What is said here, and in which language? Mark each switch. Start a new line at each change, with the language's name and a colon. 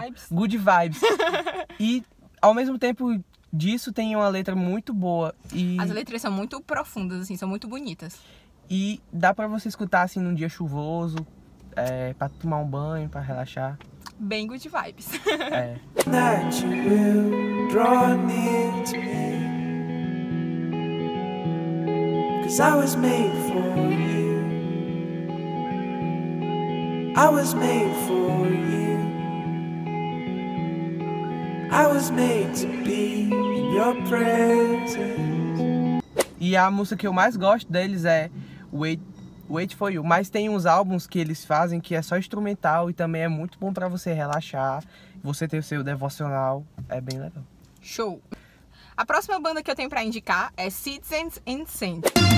English: Good vibes. E...
Portuguese: ao mesmo tempo disso, tem uma letra muito boa e... as letras são muito profundas, assim, são muito bonitas. E dá pra você escutar, assim, num dia chuvoso, pra tomar um banho, pra relaxar. Bem
English: good vibes.
Portuguese: É.
English: That you will draw near to me. Cause I was made for you. I was made for you. I was made to be in your presence.
Portuguese: E a música que eu mais gosto deles é Wait For You. Mas tem uns álbuns que eles fazem que é só instrumental e também é muito bom pra você relaxar. Você ter o seu devocional, é bem legal. Show! A próxima banda que eu tenho pra indicar é Citizens and Saints.